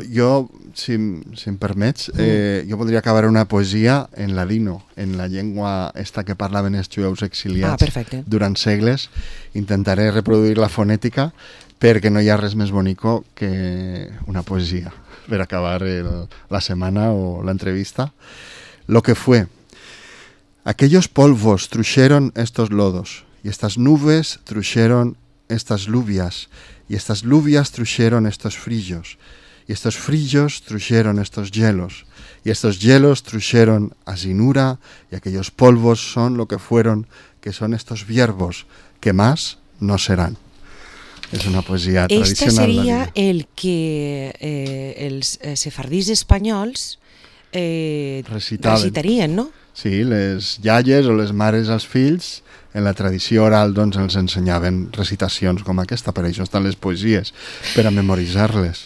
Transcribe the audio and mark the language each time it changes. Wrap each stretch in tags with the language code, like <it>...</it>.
<ca>Jo si em permets, jo voldria acabar una poesia en ladino, en la llengua esta que parlaven els jueus exiliats durant segles. Intentaré reproduir la fonètica perquè no hi ha res més bonico que una poesia per acabar la setmana o l'entrevista.</ca> <lad>Lo que fue. Aquellos polvos truxeron estos lodos, y estas nubes truxeron estas lluvias, y estas lluvias truxeron estos frillos, y estos frillos truxeron estos hielos, y estos hielos truxeron a sinura, y aquellos polvos son lo que fueron, que son estos viervos, que más no serán.</lad> <ca>És una poesia tradicional. Este seria el que els sefardís espanyols recitarien, no? Sí, les iaies o les mares als fills, en la tradició oral doncs els ensenyaven recitacions com aquesta, per això estan les poesies, per a memoritzar-les.</ca>